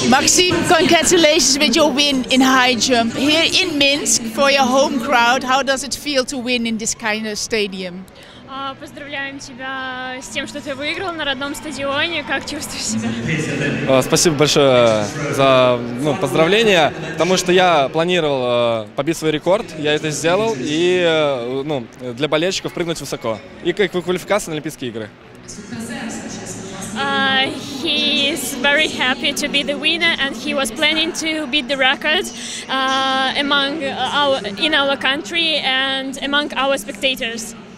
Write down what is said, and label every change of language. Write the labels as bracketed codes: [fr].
[en] Maksim, congratulations with your win in high jump here in Minsk for your home crowd. How does it feel to win in this kind of stadium? [ru] Поздравляем тебя с тем, что ты выиграл на родном стадионе. Как чувствуешь себя? Спасибо большое за поздравления, потому что я планировал побить свой рекорд, я это сделал, и для болельщиков прыгнуть высоко. И как квалификация на Олимпийские игры. [en] He is very happy to be the winner, and he was planning to beat the record in our country and among our spectators.